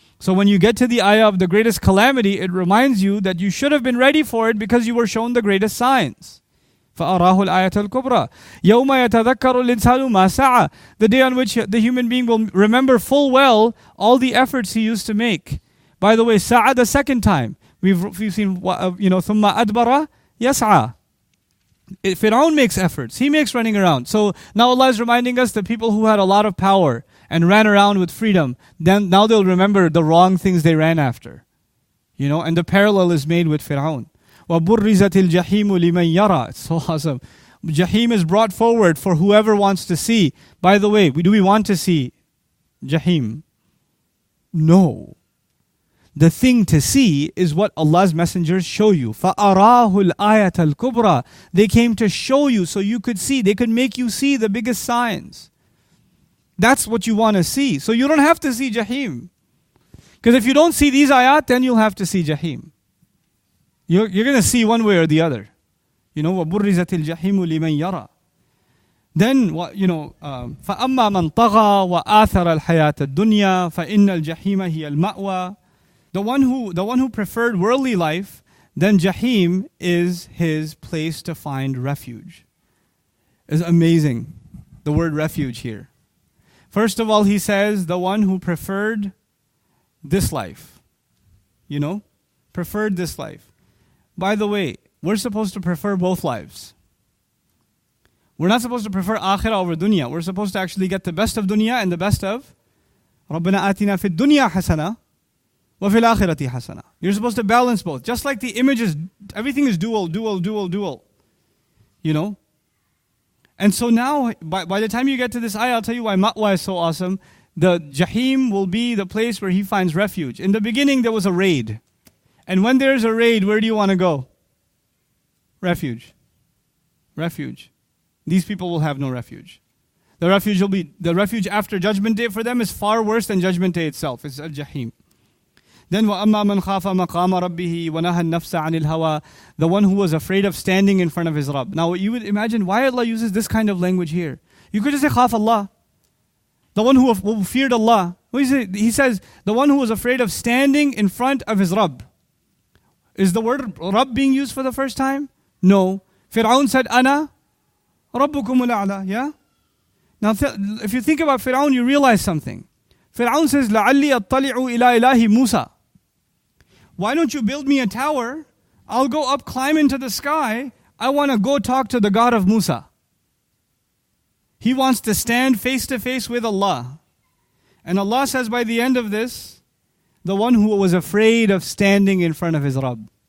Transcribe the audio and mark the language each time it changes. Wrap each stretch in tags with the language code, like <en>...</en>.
<en>So when you get to the ayah of the greatest calamity, it reminds you that you should have been ready for it because you were shown the greatest signs.</en> <ar>فَأَرَاهُ الْآيَةَ الْكُبْرَى. يَوْمَ يَتَذَكَّرُ الْإِنسَانُ مَا سَعَى.</ar> <en>The day on which the human being will remember full well all the efforts he used to make. By the way, سَعَى the second time. We've seen,</en> <ar>ثُمَّ أَدْبَرَ يَسْعَى.</ar> <en>Fir'aun makes efforts. He makes running around. So now Allah is reminding us that people who had a lot of power and ran around with freedom, then now they'll remember the wrong things they ran after. And the parallel is made with Fir'aun.</en> <ar>وَبُرِّزَتِ الْجَحِيمُ لِمَنْ يَرَى.</ar> <en>It's so awesome. Jahim is brought forward for whoever wants to see. By the way, do we want to see Jahim? No. The thing to see is what Allah's messengers show you.</en> <ar>فَأَرَاهُ الْآيَةَ الْكُبْرَى.</ar> <en>They came to show you so you could see. They could make you see the biggest signs. That's what you want to see. So you don't have to see Jahim. Because if you don't see these ayat, then you'll have to see Jahim. You're going to see one way or the other.</en> <ar>You know, وَبُرِّزَتِ الْجَحِيمُ لِمَنْ يَرَى. Then, you know, فَأَمَّا مَنْ طَغَى وَآثَرَ الْحَيَاةَ الدُّنْيَا فَإِنَّ الْجَحِيمَ هِيَ الْمَأْوَى.</ar> <en>The one who preferred worldly life, then Jahim is his place to find refuge. It's amazing, the word refuge here. First of all, he says, the one who preferred this life. You know, preferred this life. By the way, we're supposed to prefer both lives. We're not supposed to prefer akhirah over dunya. We're supposed to actually get the best of dunya and the best of</en> <ar>رَبَّنَا آتِنَا فِي الدُّنْيَا حَسَنَةً وَفِي الْآخِرَةِ حَسَنَةً.</ar> <en>You're supposed to balance both. Just like the images, everything is dual, dual, dual, dual. You know? And so now, by the time you get to this ayah, I'll tell you why ma'wa is so awesome. The Jahim will be the place where he finds refuge. In the beginning, there was a raid. And when there's a raid, where do you want to go? Refuge. Refuge. These people will have no refuge. The refuge after Judgment Day for them is far worse than Judgment Day itself. It's a Jahim.</en> <ar>Then وَأَمَّا مَنْ خَافَ مَقَامَ رَبِّهِ وَنَهَى النَّفْسَ عَنِ الْهَوَى.</ar> <en>The one who was afraid of standing in front of his Rabb. Now you would imagine why Allah uses this kind of language here. You could just say خَافَ Allah. The one who feared Allah. He says, the one who was afraid of standing in front of his Rabb. Is the word Rabb being used for the first time? No.</en> <ar>Fir'aun said, أَنَا رَبُّكُمُ الْأَعْلَى.</ar> <en>Yeah? Now if you think about Fir'aun, you realize something.</en> <ar>Fir'aun says, لَعَلِّي أَطَّلِعُ إِلَىٰ إِلَٰهِ مُوسَىٰ.</ar> <en>Why don't you build me a tower? I'll go up, climb into the sky. I want to go talk to the God of Musa. He wants to stand face to face with Allah. And Allah says by the end of this, the one who was afraid of standing in front of his Rabb.</en>